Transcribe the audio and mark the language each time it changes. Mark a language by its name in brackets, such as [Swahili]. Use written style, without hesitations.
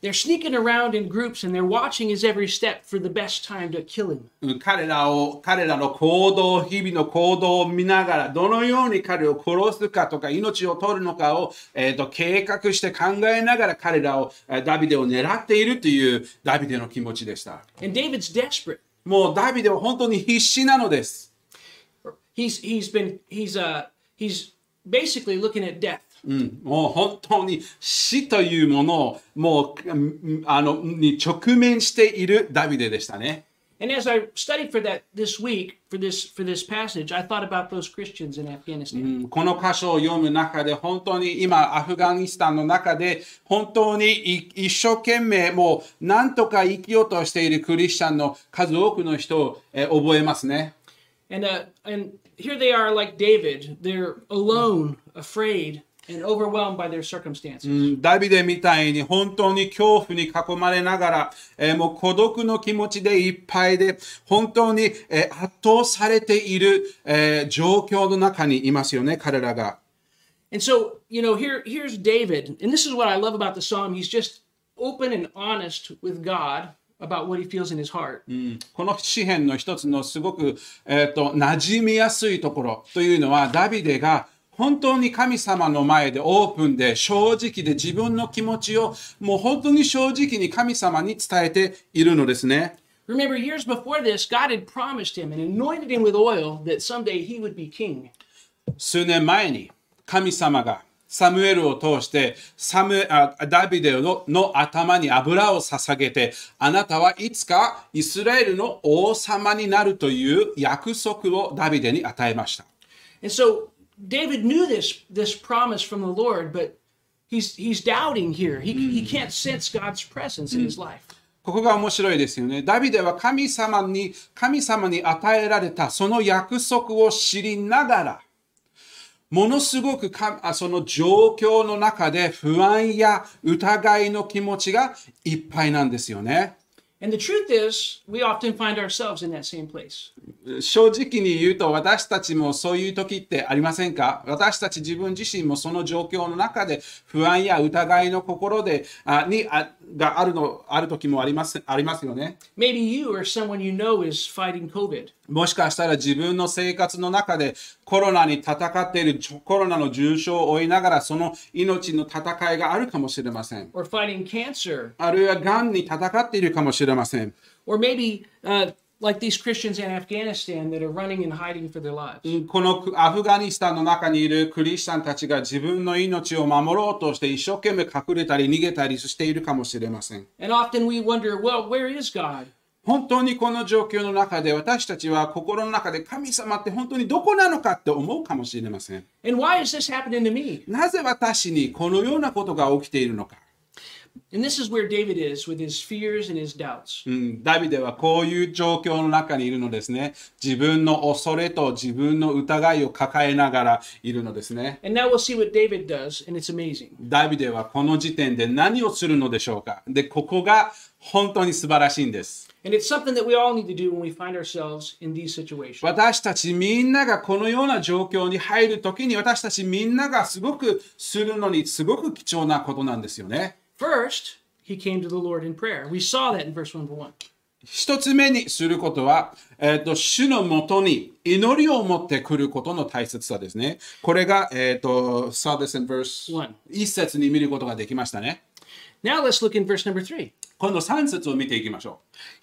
[English] They're sneaking around in groups and they're watching his every step for the best time to kill him. [Japanese] 彼らの行動、日々の行動を見ながら、どのように彼を殺すかとか命を取るのかを、計画して考えながら彼らを、ダビデを狙っているというダビデの気持ちでした。 [English] And David's desperate. [Japanese] もうダビデは本当に必死なのです。 [English] He's basically looking at death. [Japanese] もう本当に死というものをもうに直面しているダビデでしたね。 [English] And as I studied for that this week, for this passage, I thought about those Christians in Afghanistan. [Japanese] この箇所を読む中で本当に今アフガニスタンの中で本当に一生懸命もう何とか生きようとしているクリスチャンの数多くの人を覚えますね。 [English] And here they are like David. They're alone, afraid, and overwhelmed by their circumstances. [Japanese] ダビデみたいに本当に恐怖に囲まれながら、もう孤独の気持ちでいっぱいで、本当に、圧倒されている、状況の中にいますよね、彼らが。 [English] And so, you know, here's David. And this is what I love about the psalm. He's just open and honest with God. About what he feels in his heart. [Japanese] この詩編の一つのすごく、馴染みやすいところというのはダビデが本当に神様の前でオープンで正直で自分の気持ちをもう本当に正直に神様に伝えているのですね。 [English] Remember, years before this, God had promised him and anointed him with oil that someday he would be king. [Japanese] 数年前に神様がサムエルを通してダビデの頭に油を捧げて、あなたはいつかイスラエルの王様になるという約束をダビデに与えました。 [English] And so David knew this promise from the Lord, but he's doubting here. He can't sense God's presence in his life. [Japanese] ここが面白いですよね。ダビデは神様に与えられたその約束を知りながら、ものすごくその状況の中で不安や疑いの気持ちがいっぱいなんですよね。 [English] And the truth is, we often find ourselves in that same place. [Japanese] 正直に言うと私たちもそういう時ってありませんか？私たち自分自身もその状況の中で不安や疑いの心でがある時もありますよね。 [English] Maybe you or someone you know is fighting COVID. [Japanese] もしかしたら自分の生活の中でコロナに戦っている、コロナの重症を負いながらその命の戦いがあるかもしれません。 [English] Or fighting cancer. [Japanese] あるいはがんに戦っているかもしれません。 [English] Or maybe, like these Christians in Afghanistan that are running and hiding for their lives. [Japanese] このアフガニスタンの中にいるクリスチャンたちが自分の命を守ろうとして一生懸命隠れたり逃げたりしているかもしれません。 [English] And often we wonder, well, where is God? [Japanese] 本当にこの状況の中で私たちは心の中で神様って本当にどこなのかって思うかもしれません。 [English] And why is this happening to me? [Japanese] なぜ私にこのようなことが起きているのか。 [English] And this is where David is with his fears and his doubts. [Japanese] ダビデはこういう状況の中にいるのですね。自分の恐れと自分の疑いを抱えながらいるのですね。 [English] And now we'll see what David does, and it's amazing. [Japanese] ダビデはこの時点で何をするのでしょうか。で、ここが本当に素晴らしいんです。 [English] And it's something that we all need to do when we find ourselves in these situations. [Japanese] 私たちみんながこのような状況に入るときに、私たちみんながすごくするのにすごく貴重なことなんですよね。 [English] First, he came to the Lord in prayer. We saw that in verse 1-1. [Japanese] 一つ目にすることは、主のもとに祈りを持ってくることの大切さですね。これが、 [English] saw this in verse 1. [Japanese] 一節に見ることができましたね。 [English] Now let's look in verse number 3. [Japanese] 今度三節を見ていきましょう。